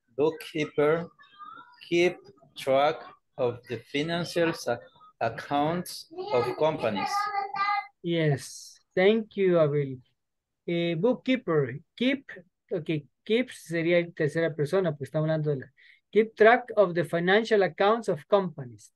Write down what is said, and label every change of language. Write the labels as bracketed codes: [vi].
[en] Bookkeeper, keep track of the financial accounts of companies. Yes, thank you, Abel. [es] Bookkeeper, keep, okay, keep sería tercera persona, pues estamos hablando de la. [en] Keep track of the financial accounts of companies.